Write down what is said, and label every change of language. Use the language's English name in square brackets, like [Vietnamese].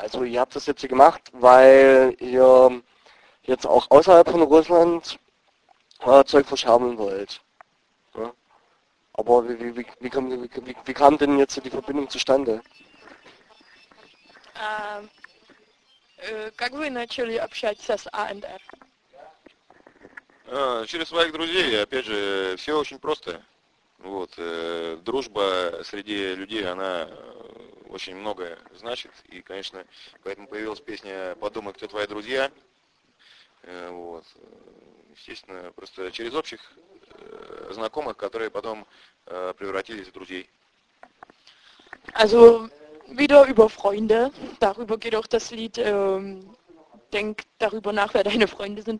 [German] Also ihr habt das jetzt hier gemacht, weil ihr jetzt auch außerhalb von Russland Zeug verschärfen wollt. Ja? Aber wie kam denn jetzt die Verbindung zustande? [Russian] Как вы начали общаться с АНР? Через своих друзей, опять же, все очень просто. Вот, дружба среди людей, она очень многое значит. И, конечно, поэтому появилась песня «Подумай, кто твои друзья». Вот. Естественно, просто через общих знакомых, которые потом превратились в друзей. [German] Also, wieder über Freunde. Darüber geht auch das Lied. Denk darüber nach, wer deine Freunde sind.